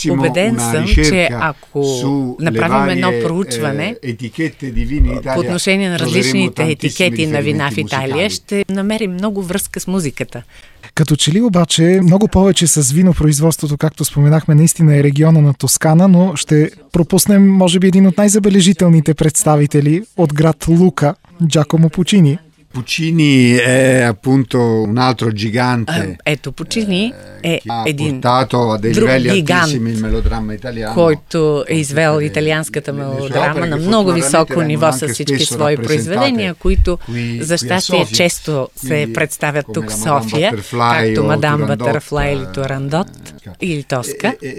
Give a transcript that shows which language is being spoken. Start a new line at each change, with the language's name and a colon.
Bulgarian: Убеден съм, че ако направим едно проучване по отношение на различните етикети на вина в Италия, ще намерим много връзка с музиката. Като че ли обаче много повече с винопроизводството, както споменахме, наистина е региона на Тоскана, но ще пропуснем може би един от най-забележителните представители от град Лука, Джакомо Пучини.
Italian: Пучини е appunto un altro gigante.
Bulgarian: Ето Пучини е един друг гигант,
Italian: il melodramma
Bulgarian: italiano, който е извел италианската мелодрама на много високо ниво с всички свои произведения, които за щастие често се представят тук в София, както Мадам Батърфлай или Турандот или Тоска.